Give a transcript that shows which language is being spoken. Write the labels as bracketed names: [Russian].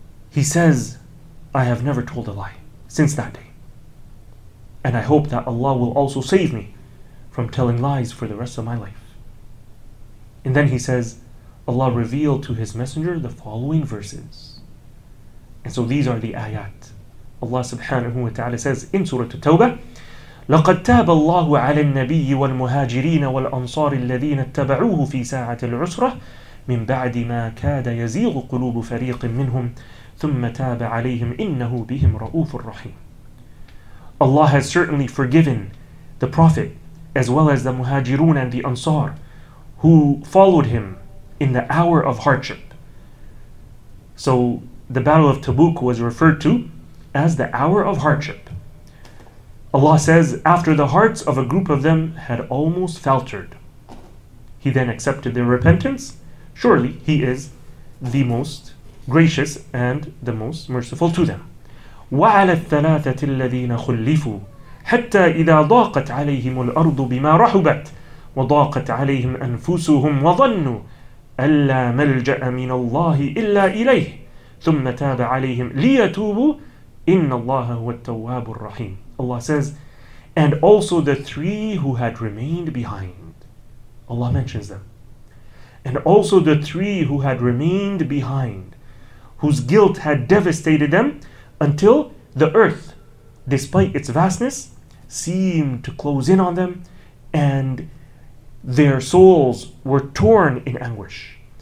[English] He says, I have never told a lie since that day. And I hope that Allah will also save me from telling lies for the rest of my life. And then he says, Allah revealed to his messenger the following verses. And so these are the ayat. Allah subhanahu wa ta'ala says in Surah At-Tawbah, [Arabic] لَقَدْ تَابَ اللَّهُ عَلَى النَّبِيِّ وَالْمُهَاجِرِينَ وَالْأَنصَارِ الَّذِينَ اتَّبَعُوهُ فِي سَاعَةِ الْعُسْرَةِ مِنْ بَعْدِ مَا كَادَ يَزِيغُ قُلُوبُ فَرِيقٍ مِّنْهُمْ ثُمَّ تَابَ عَلَيْهِمْ إِنَّهُ بِهِمْ رَؤُوفٌ رَحِيمٌ. [English] Allah has certainly forgiven the Prophet as well as the Muhajirun and the Ansar who followed him in the hour of hardship. So the Battle of Tabuk was referred to as the hour of hardship. Allah says, after the hearts of a group of them had almost faltered, He then accepted their repentance. Surely He is the most gracious and the most merciful to them. [Arabic] وعلى الثلاثة الذين خلفوا حتى إذا ضاقت عليهم الأرض بما رحبت وضاقت عليهم أنفسهم وظنوا ألا ملجأ من الله إلا إليه ثم تاب عليهم ليتوبوا إن الله هو التواب الرحيم. [English] Allah says, and also the three who had remained behind. Allah mentions them. And also the three who had remained behind, whose guilt had devastated them until the earth, despite its vastness, seemed to close in on them and their souls were torn in anguish.